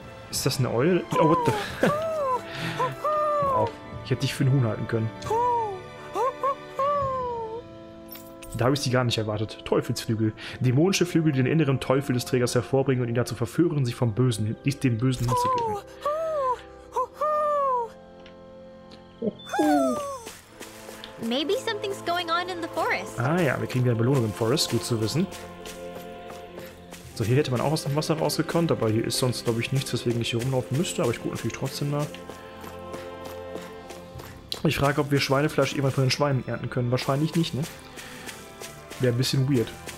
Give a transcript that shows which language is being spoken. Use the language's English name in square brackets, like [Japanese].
[German] Ist das eine Eule? [English] Oh, what the? [German] Wow, ich hätte dich für einen Huhn halten können. Da habe ich sie gar nicht erwartet. Teufelsflügel. Dämonische Flügel, die den inneren Teufel des Trägers hervorbringen und ihn dazu verführen, sich vom Bösen, nicht dem Bösen hinzugeben. [English] Maybe something's going on in the forest. [German] Ah ja, wir kriegen wieder eine Belohnung im Forest, gut zu wissen. So, Also hier hätte man auch aus dem Wasser rausgekommen, aber hier ist sonst, glaube ich, nichts, weswegen ich hier rumlaufen müsste. Aber ich gucke natürlich trotzdem nach. Ich frage, ob wir Schweinefleisch irgendwann von den Schweinen ernten können. Wahrscheinlich nicht, ne? Wäre ein bisschen weird.